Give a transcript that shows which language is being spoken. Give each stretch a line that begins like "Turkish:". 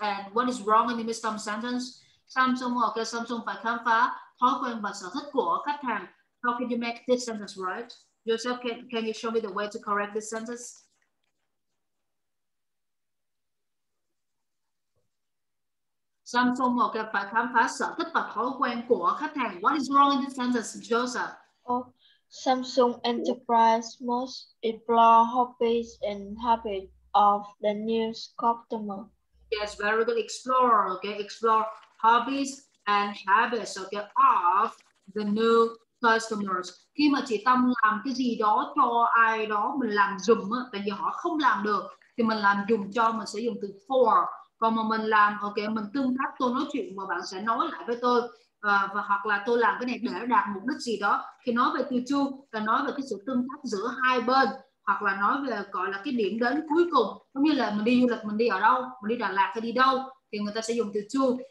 English: And what is wrong in the Miss Tom's sentence?
Vietnamese: Samsung phải khám phá thói quen và sở thích của khách hàng.
English: How can you make this sentence right? Joseph, can you show me the way to correct this sentence?
Vietnamese: Samsung okay, phải khám phá sở thích và thói quen của khách hàng.
English: What is wrong in this sentence, Joseph? Oh, Samsung Enterprise must explore hobbies and habits of the new customer. Yes, very good. Explore hobbies and habits of the new customers.
Vietnamese: Khi mà chị Tâm làm cái gì đó cho ai đó, mình làm dùm, tại vì họ không làm được, thì mình làm dùm cho, mình sẽ dùng từ for. Còn mà mình làm, mình tương tác, tôi nói chuyện mà bạn sẽ nói lại với tôi và hoặc là tôi làm cái này để đạt mục đích gì đó, thì nói về từ chu là nói về cái sự tương tác giữa hai bên, hoặc là nói về gọi là cái điểm đến cuối cùng, giống như là mình đi du lịch, mình đi ở đâu, mình đi Đà Lạt hay đi đâu, thì người ta sẽ dùng từ chu.